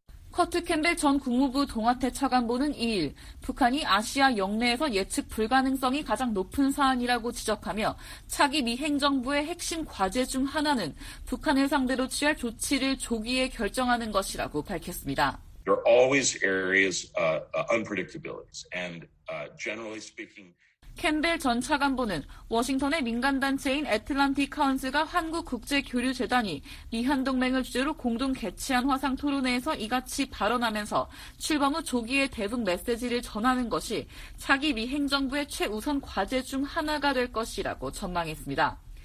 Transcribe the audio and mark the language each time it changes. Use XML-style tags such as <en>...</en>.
<ko>커트 캠벨 전 국무부 동아태 차관보는 2일 북한이 아시아 역내에서 예측 불가능성이 가장 높은 사안이라고 지적하며 차기 미 행정부의 핵심 과제 중 하나는 북한을 상대로 취할 조치를 조기에 결정하는 것이라고 밝혔습니다.</ko> <en>There are always areas unpredictabilities and generally speaking</en> <ko>캠벨 전 차관보는 워싱턴의 민간단체인 애틀란틱 카운스가 한국국제교류재단이 미한동맹을 주제로 공동 개최한 화상 토론회에서 이같이 발언하면서 출범 후 조기의 대북 메시지를 전하는 것이 차기 미 행정부의 최우선 과제 중 하나가 될 것이라고 전망했습니다.</ko>